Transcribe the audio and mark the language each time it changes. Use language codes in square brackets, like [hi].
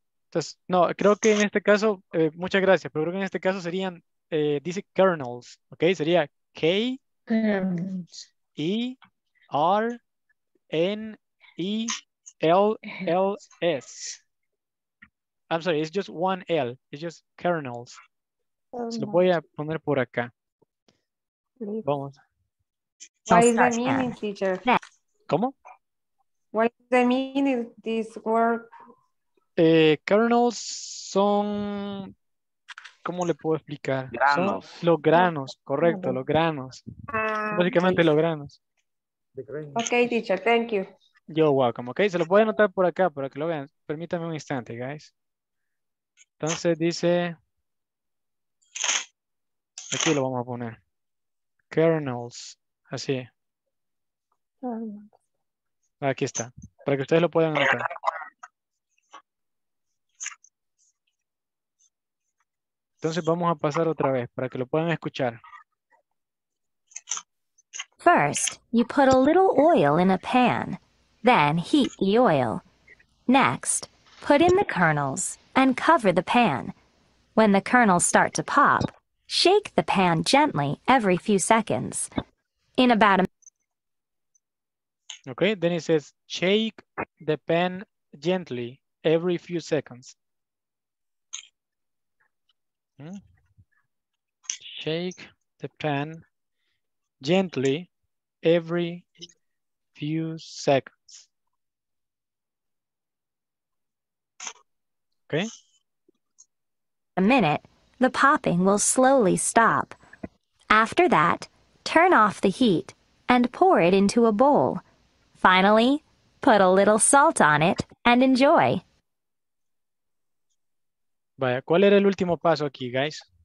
[es] Entonces, no, creo que en este caso, muchas gracias, pero creo que en este caso serían, dice kernels, ok, sería K-E-R-N-E-L-L-S. [en] I'm sorry, it's just one L, it's just kernels. [es] Se lo voy a poner por acá. Vamos. [en] What is the meaning, teacher? [es] ¿Cómo? [en] What is the meaning of this word? [es] Kernels son, ¿cómo le puedo explicar? Granos. Son los granos, correcto, los granos. Básicamente sí. Los granos. [en] Ok, teacher, thank you. You're welcome, ok. [es] Se lo voy a anotar por acá para que lo vean. Permítame un instante, guys. Entonces dice, aquí lo vamos a poner. Kernels, así. Aquí está, para que ustedes lo puedan anotar. Entonces vamos a pasar otra vez para que lo puedan escuchar. [en] First, you put a little oil in a pan, then heat the oil. Next, put in the kernels and cover the pan. When the kernels start to pop, shake the pan gently every few seconds. In about a okay, then it says shake the pan gently every few seconds. Shake the pan gently every few seconds. Okay. A minute, the popping will slowly stop. After that, turn off the heat and pour it into a bowl. Finally, put a little salt on it and enjoy. [es] Vaya, ¿cuál era el último paso aquí, guys?